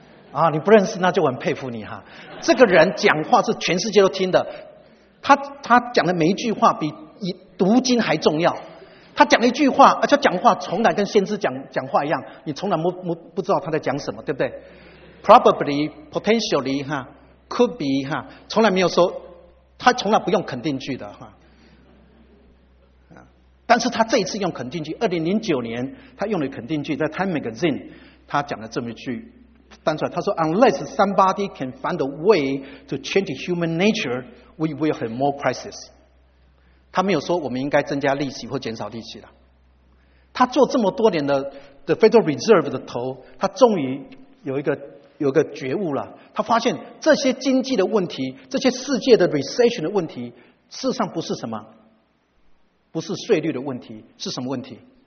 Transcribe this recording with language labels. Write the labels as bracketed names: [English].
[Chinese] 啊，你不认识那就很佩服你哈。这个人讲话是全世界都听的，他讲的每一句话比读经还重要。他讲一句话，而且讲话从来跟先知讲话一样，你从来不知道他在讲什么，对不对 ？ [English] Probably, potentially, [Chinese] 哈 ， [English] could be, [Chinese] 哈，从来没有说，他从来不用肯定句的哈。但是他这一次用肯定句，2009年他用了肯定句，在 Time Magazine， 他讲了这么一句，翻出来，他说 ： [English] “Unless somebody can find a way to change human nature, we will have more crisis.” [Chinese] 他没有说我们应该增加利息或减少利息了。他做这么多年的 The Federal Reserve 的头，他终于有一个觉悟了。他发现这些经济的问题，这些世界的 recession 的问题，事实上不是什么，不是税率的问题，是什么问题？